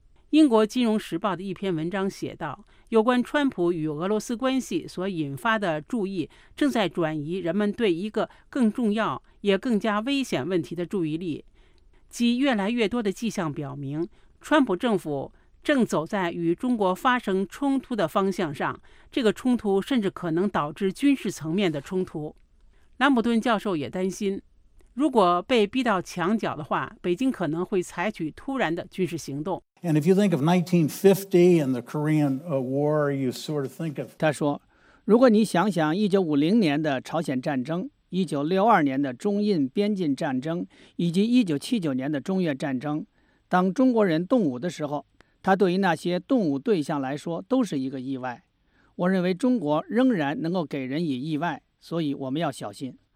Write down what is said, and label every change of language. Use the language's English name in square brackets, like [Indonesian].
[Chinese] 英国金融时报的一篇文章写道，有关川普与俄罗斯关系所引发的注意正在转移人们对一个更重要也更加危险问题的注意力，即越来越多的迹象表明川普政府正走在与中国发生冲突的方向上，这个冲突甚至可能导致军事层面的冲突。兰普顿教授也担心，如果被逼到墙角的话，北京可能会采取突然的军事行动。 [English] And if you think of 1950 and the Korean War, you sort of think of [Chinese] 他说，如果你想想1950年的朝鲜战争，1962年的中印边境战争，以及1979年的中越战争，当中国人动武的时候，它对于那些动武对象来说都是一个意外。我认为中国仍然能够给人以意外，所以我们要小心。